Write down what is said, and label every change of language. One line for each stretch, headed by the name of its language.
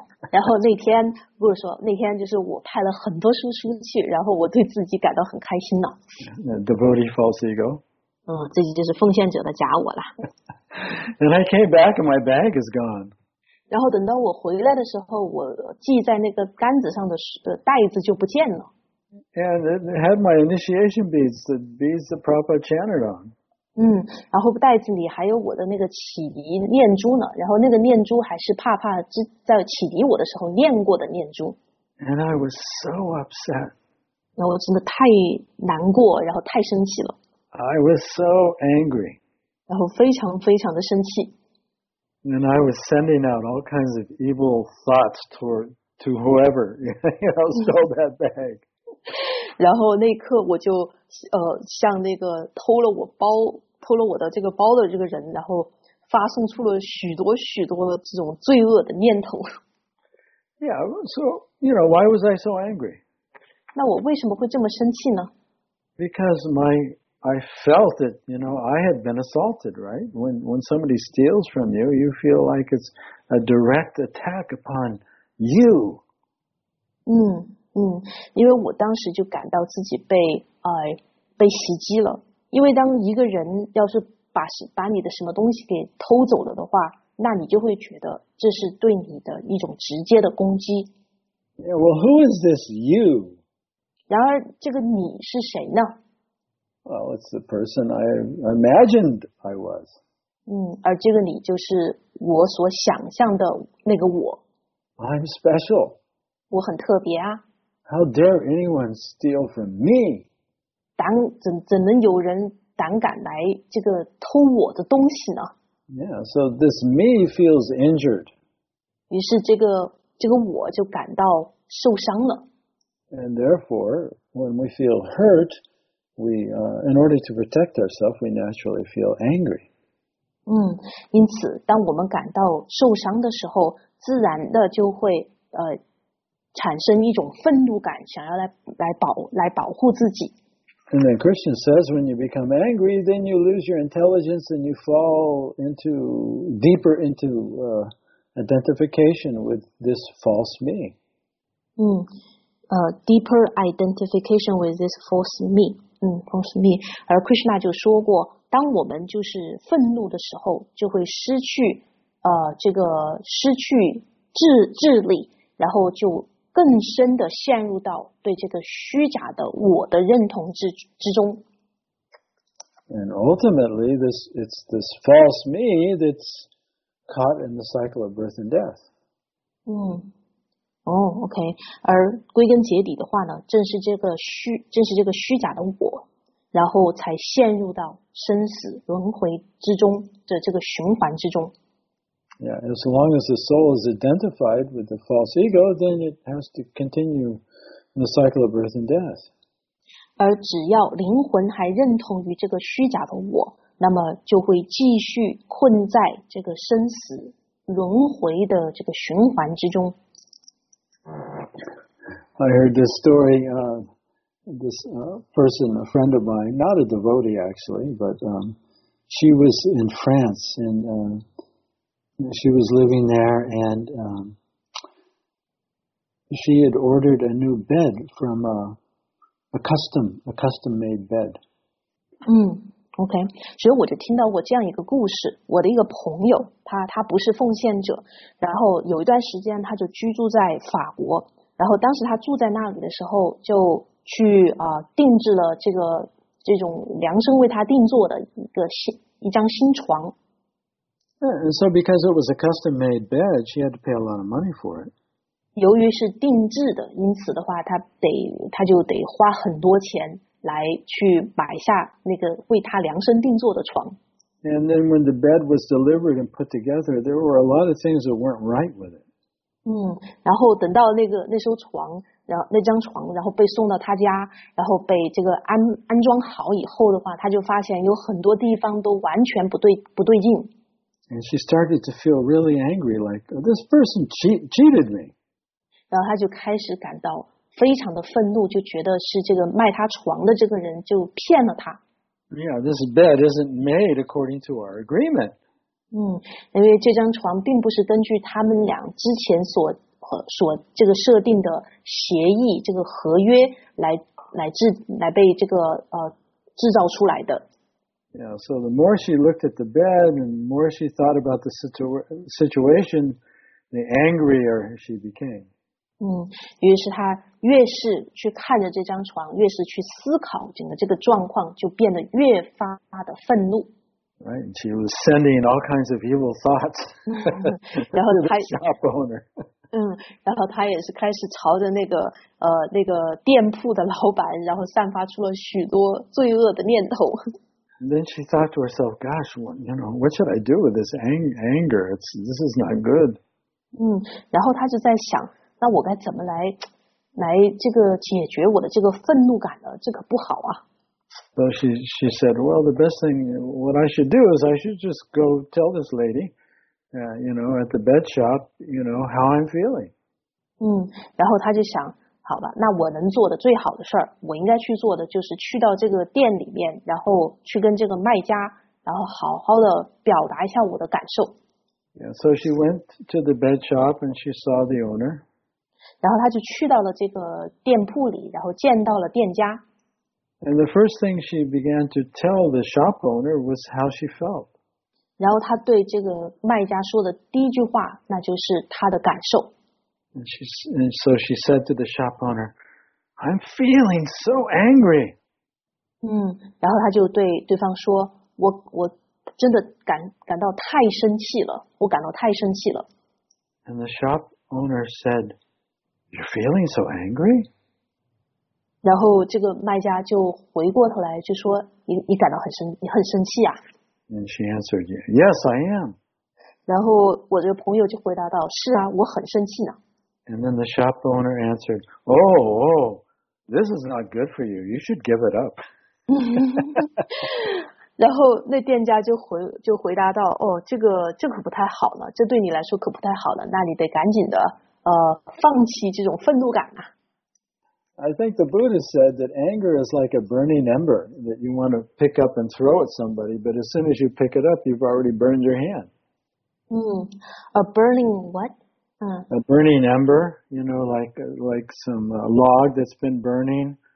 Chinese: 然后那天不是说那天就是我派了很多书出去，然后我对自己感到很开心呢。
English: Devotee false ego.
Chinese: 自己就是奉献者的假我了。
English: And I came back, and my bag is gone.
Chinese: 然后等到我回来的时候，我系在那个杆子上的袋子就不见了。
English: And it had my initiation beads, the beads the proper chanted on.
Chinese: 然后袋子里还有我的那个启迪念珠呢，然后那个念珠还是帕帕在启迪我的时候念过的念珠。
English: And I was so upset.
Chinese: 然后我真的太难过，然后太生气了。
English: I was so angry.
Chinese: 然后非常非常的生气。
English: And I was sending out all kinds of evil thoughts to whoever, you know, stole that bag.
Chinese: 然后那一刻我就向那个偷了我的这个包的这个人，然后发送出了许多许多这种罪恶的念头。
English: Yeah, so you know, why was I so angry?
Chinese: 那我为什么会这么生气呢？
English: Because I felt that, you know, I had been assaulted, right? When somebody steals from you, you feel like it's a direct attack upon you.
Chinese: 因为我当时就感到自己被袭击了。因为当一个人要是把你的什么东西给偷走了的话，那你就会觉得这是对你的一种直接的攻击。
English: Yeah, well, who is this you?
Chinese: 然而这个你是谁呢？
English: Well, it's the person I imagined I was.
Chinese: 而这个你就是我所想象的那个我。
English: I'm special.
Chinese: 我很特别啊。
English: How dare anyone steal from me?
Chinese: 怎能有人胆敢来这个偷我的东西呢？
English: Yeah, so this me feels injured.
Chinese: 于是这个我就感到受伤了。
English: And therefore, when we feel hurt,We, in order to protect ourselves, we naturally feel angry.
Chinese: 因此，当我们感到受伤的时候，自然的就会产生一种愤怒感，想要来保护自己。
English: And then Krishna says, when you become angry, then you lose your intelligence and you fall deeper into identification with this false me. Deeper identification with this false me.
Chinese: 而 Krishna 就说过，当我们就是愤怒的时候，就会失去智力，然后就更深的陷入到对这个虚假的我的认同之中。
English: And ultimately, it's this false me that's caught in the cycle of birth and death.
Chinese: OK, 而归根结底的话呢，正是这个虚假的我，然后才陷入到生死轮回之中的这个循环之中。
English: Yeah, as long as the soul is identified with the false ego, then it has to continue in the cycle of birth and death.
Chinese: 而只要灵魂还认同于这个虚假的我，那么就会继续困在这个生死轮回的这个循环之中。
English: I heard this story, person, a friend of mine, not a devotee actually, but she was in France and she was living there and she had ordered a new bed from a custom-made bed.
Chinese: OK, 所以我就听到过这样一个故事。我的一个朋友，他不是奉献者，然后有一段时间他就居住在法国，然后当时他住在那里的时候，就去定制了这种量身为他定做的一张新床。
English: And so because it was a custom-made bed, she had to pay a lot of money for it.
Chinese: 由于是定制的，因此的话，他就得花很多钱。来去买下那个为他量身定做的床。
English: And then when the bed was delivered and put together, there were a lot of things that weren't right with it.
Chinese: 然后等到那个那艘床，然后那张床，然后被送到他家，然后被这个安装好以后的话，他就发现有很多地方都完全不对劲。
English: And she started to feel really angry, like, oh, this person cheated me.
Chinese: 然后他就开始感到非常的愤怒，就觉得是这个卖他床的这个人就骗了他。
English: Yeah, this bed isn't made according to our agreement.
Chinese: 因为这张床并不是根据他们俩之前所这个设定的协议，这个合约来被这个制造出来的。
English: Yeah, so the more she looked at the bed and the more she thought about the situation, the angrier she became.
Chinese: 于是她越是去看着这张床，越是去思考整个这个状况，就变得越发的愤怒。
English: Right, and she was sending all kinds of evil thoughts to the shop owner.
Chinese: 然后她也是开始朝着那个店铺的老板，然后散发出了许多罪恶的念头。
English: And then she thought to herself, gosh, what should I do with this anger? This is not good.
Chinese: 然后她就在想，那我该怎么来这个解决我的这个愤怒感呢？这可不好啊。
English: So she said, well, the best thing, what I should do is I should just go tell this lady, you know, at the bed shop, you know, how I'm feeling.
Chinese: 然后她就想，好吧，那我能做的最好的事儿，我应该去做的就是去到这个店里面，然后去跟这个卖家，然后好好的表达一下我的感受。
English: Yeah, so she went to the bed shop and she saw the owner.
Chinese: 然后她就去到了这个店铺里，然后见到了店家。
English: And the first thing she began to tell the shop owner was how she felt.
Chinese: 然后她对这个卖家说的第一句话，那就是她的感受。
English: And so she said to the shop owner, I'm feeling so angry.
Chinese: 然后他就对对方说，我真的感到太生气了，我感到太生气了。
English: And the shop owner said, you're feeling so angry?
Chinese: 然后这个卖家就回过头来就说，你感到很生气啊。
English: And she answered, yes, I am.
Chinese: 然后我这个朋友就回答道，是啊，我很生气呢。
English: And then the shop owner answered, oh, this is not good for you. You should give it up.
Chinese: 然后那店家就回答道，哦，这可不太好了，这对你来说可不太好了，那你得赶紧的，放弃这种愤怒感啊。
English: I think the Buddha said that anger is like a burning ember that you want to pick up and throw at somebody, but as soon as you pick it up, you've already burned your hand. A burning what? A burning ember, you know, like some log that's been burning.